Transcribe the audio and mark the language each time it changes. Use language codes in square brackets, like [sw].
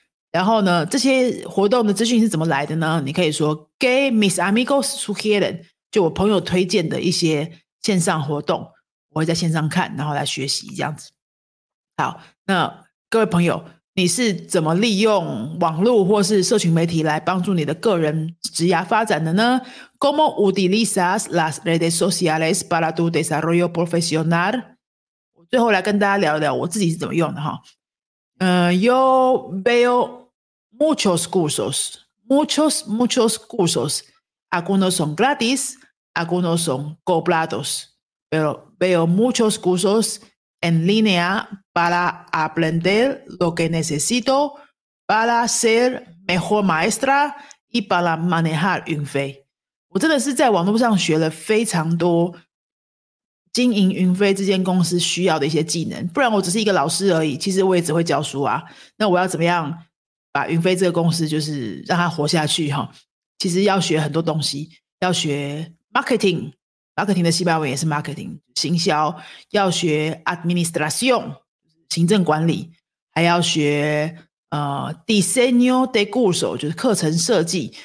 [zh] 然后呢，这些活动的资讯是怎么来的呢？你可以说 [es] que mis amigos sugieren， [zh] 就我朋友推荐的一些线上活动，我会在线上看，然后来学习这样子。好，那各位朋友，你是怎么利用网络或是社群媒体来帮助你的个人职业发展的呢？ [es] ¿Cómo utilizas las redes sociales para tu desarrollo profesional? [zh] 我最后来跟大家聊聊我自己是怎么用的哈。 [es] Yo veo muchos cursos. Algunos son gratis, algunos son cobrados. Pero veo muchos cursos en línea para aprender lo que necesito para ser mejor maestra y para manejar运费。 [zh] 我真的是在网络上学了非常多经营云飞这间公司需要的一些技能，不然我只是一个老师而已，其实我也只会教书啊，那我要怎么样把云飞这个公司就是让它活下去，其实要学很多东西，要学 marketing， marketing 的西班牙文也是 marketing， 行销，要学 administración 行政管理，还要学diseño de curso 就是课程设计。